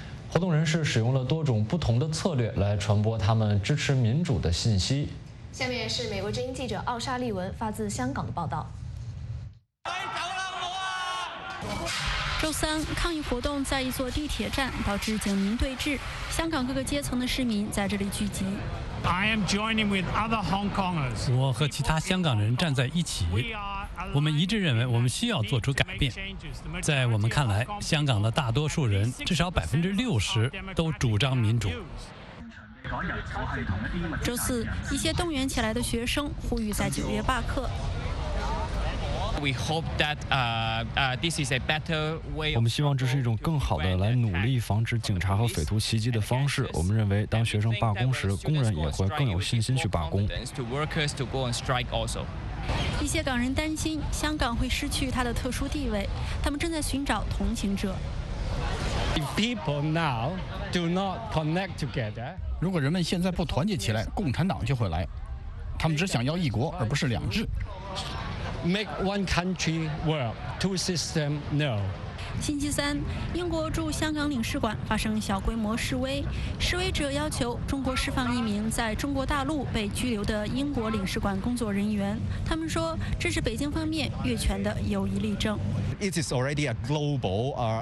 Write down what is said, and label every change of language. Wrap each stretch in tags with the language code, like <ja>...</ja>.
<zh>活动人士使用了多种不同的策略来传播他们支持民主的信息。下面是美国之音记者奥沙利文发自香港的报道。周三，抗议活动在一座地铁站导致警民对峙，香港各个阶层的市民在这里聚集。</zh> <en>I am joining with other Hong Kongers.</en> <zh>我和其他香港人站在一起，我们一致认为我们需要做出改变。在我们看来，香港的大多数人，至少60%都主张民主。周四，一些动员起来的学生呼吁在9月罢课。</zh> <en>We hope that this is a better way.</en> <zh>我们希望这是一种更好的来努力防止警察和匪徒袭击的方式。我们认为，当学生罢工时，工人也会更有信心去罢工。一些港人担心香港会失去它的特殊地位，他们正在寻找同情者。</zh> <en>If people now do not connect together,</en> <zh>如果人们现在不团结起来，共产党就会来。他们只想要一国，而不是两制。</zh> <en>Make one country work, two system no.</en> <zh>星期三，英国驻香港领事馆发生小规模示威，示威者要求中国释放一名在中国大陆被拘留的英国领事馆工作人员。他们说，这是北京方面越权的有力例证。</zh> <en>It is already a global,</en>